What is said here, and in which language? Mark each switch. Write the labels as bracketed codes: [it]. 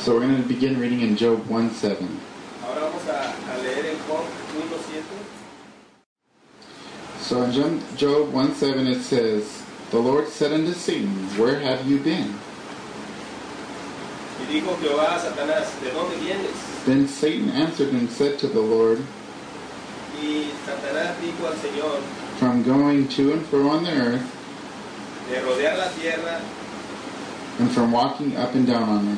[en] So we're going to begin reading in Job 1:7. [es] Ahora vamos a leer en Job 1:7. [en] So in Job 1:7 it says, the Lord said unto Satan, where have you been? [es] Y dijo Jehová a Satanás, ¿de dónde vienes? [en] Then Satan answered and said to the Lord, [es] y Satanás dijo al Señor, [en] from going to and fro on the earth, [es] de rodear la tierra, [en] and from walking up and down on it.